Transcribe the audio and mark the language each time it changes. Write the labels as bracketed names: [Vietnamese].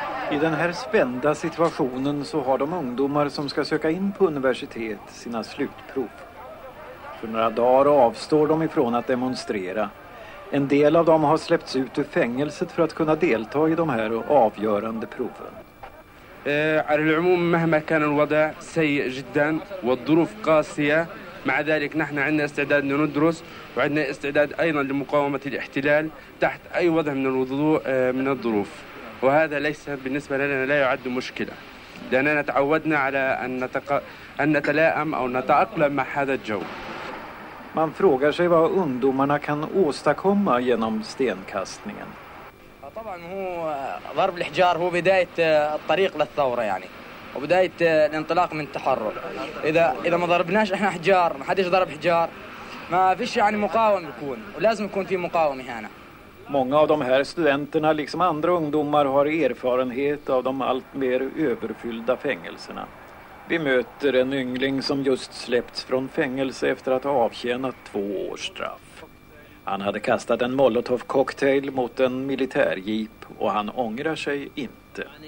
[Swedish] I den här spända situationen så har de ungdomar som ska söka in på universitet sina slutprov. För några dagar avstår de ifrån att demonstrera. En del av dem har släppts ut ur fängelset för att kunna delta i de här avgörande proven. [Arabic] على العموم مهما كان الوضع سيء جدا والظروف قاسية مع ذلك نحن عندنا استعداد لندرس وعندنا استعداد أيضا لمقاومة الاحتلال تحت أي وضع من الظروف، وهذا ليس بالنسبة لنا لا يعد مشكلة، لأننا تعودنا على أن نتلائم أو نتأقلم مع هذا الجو. [Swedish] Man frågar sig vad ungdomarna kan åstadkomma genom stenkastningen. [Arabic] طبعا هو ضرب الحجار هو بداية الطريق للثورة يعني وبداية الانطلاق من التحرر. إذا ما ضربناش احنا حجار، ما حدش ضرب حجار، ما فيش يعني مقاوم يكون، ولازم يكون في مقاومة هنا. [Swedish] Många av de här studenterna liksom andra ungdomar har erfarenhet av de allt mer överfyllda fängelserna. Vi möter en yngling som just släppts från fängelse efter att ha avtjänat 2 års straff. Han hade kastat en molotovcocktail mot en militärjeep och han ångrar sig inte.